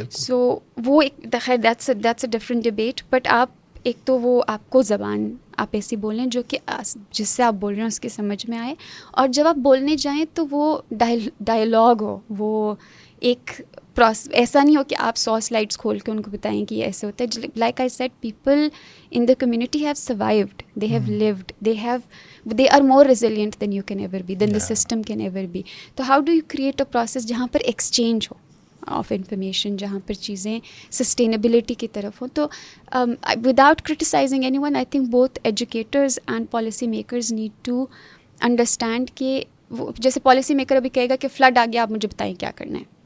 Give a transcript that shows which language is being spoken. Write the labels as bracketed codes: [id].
[en] So, [ur] وہ ایک [en] that's a different debate. [ur] But آپ ایک تو وہ آپ کو زبان آپ ایسی بولیں جو کہ جس سے آپ بول رہے ہیں اس کی سمجھ میں آئے، اور جب آپ بولنے جائیں تو وہ ڈائیلاگ ہو، وہ ایک پروسیس، ایسا نہیں ہو کہ آپ 100 سلائڈس کھول کے ان کو بتائیں کہ یہ ایسے ہوتا ہے. [en] Like I said, people in the community have survived, they have lived, they are more resilient than you can ever be, than the system can ever be. [ur] تو [en] how do you create a process [ur] جہاں پر exchange ہو of information, جہاں پر چیزیں sustainability کی طرف ہوں. تو [en] without criticizing anyone, I think both educators and policy makers need to understand [ur] کہ وہ جیسے پالیسی میکر ابھی کہے گا کہ فلڈ آ گیا، آپ مجھے بتائیں کیا کرنا ہے.